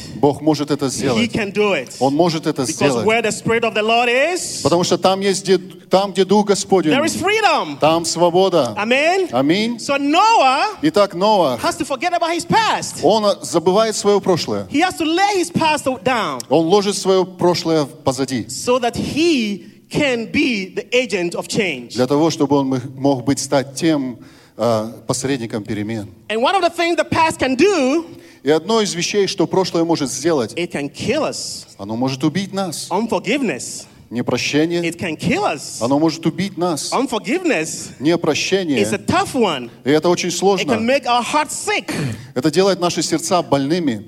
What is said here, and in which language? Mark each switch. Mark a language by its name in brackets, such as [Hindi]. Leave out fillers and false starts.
[Russian] Бог может это сделать. Он может это сделать. Потому что там, где Дух Господень, там свобода. Аминь. Итак, Ноа, он забывает свое прошлое. [English] He has to lay his past down. [Russian] Он ложит свое прошлое позади. [English] So that he can be the agent of change. [Russian] Для того, чтобы он мог быть стать тем посредником перемен. [English] And one of the things the past can do, [Russian] и одно из вещей, что прошлое может сделать, [English] it can kill us. [Russian] Оно может убить нас. [English] Unforgiveness. [Russian] Непрощение. [English] It can kill us. [Russian] Оно может убить нас. [English] Unforgiveness. [Russian] Непрощение. [English] It's a tough one. [Russian] И это очень сложно. [English] It can make our hearts sick. [Russian] Это делает наши сердца больными.